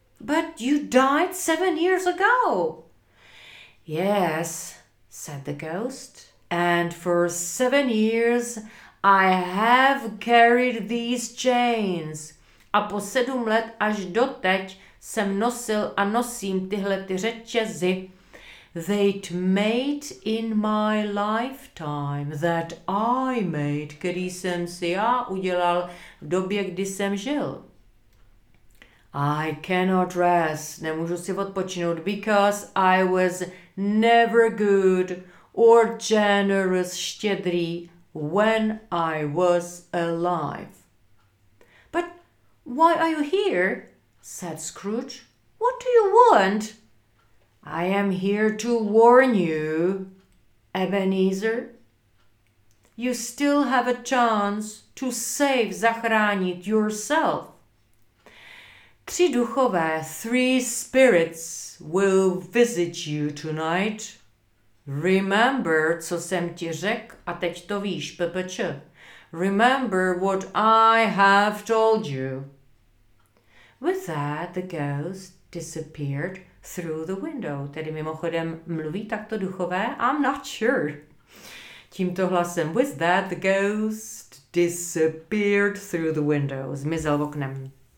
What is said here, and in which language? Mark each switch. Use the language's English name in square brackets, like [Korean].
[English] But you died 7 years ago. Yes, said the ghost. And for 7 years I have carried these chains. [Czech] A po 7 let až doteď jsem nosil a nosím tyhle ty řetězy. [English] That made in my lifetime, that I made, [Czech] který jsem si já udělal v době, kdy jsem žil. [English] I cannot rest, [Czech] nemůžu si odpočinout, [English] because I was never good or generous, štědrý, when I was alive. But why are you here? Said Scrooge. What do you want? I am here to warn you, Ebenezer. You still have a chance to save, zachránit yourself. [Czech] Tři duchové, [English] 3 spirits, will visit you tonight. [Czech] Remember, co jsem ti řekl, a teď to víš, ppč. [English] Remember what I have told you. With that, the ghost disappeared through the window. [Czech] Tedy mimochodem mluví takto duchové? [English] I'm not sure. [Czech] Tímto hlasem. [English] With that, the ghost disappeared through the window. [Czech] Zmizel oknem.